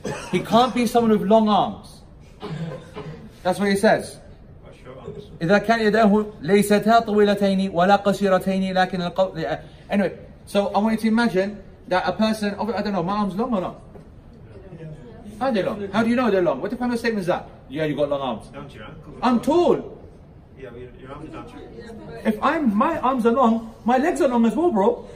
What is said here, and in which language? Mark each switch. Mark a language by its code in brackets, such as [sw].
[en] He can't be someone with long arms. That's what he says. [ar] إذا كان يداه ليستا طويلتين ولا قصيرتين لكن القول. [en] Anyway, so I want you to imagine that a person, I don't know, my arms long or not? Are they long? How do you know they're long? What kind of statement is that? Yeah, you got long arms. I'm tall. Yeah, but your arms are not. If my arms are long, my legs are long as well, bro.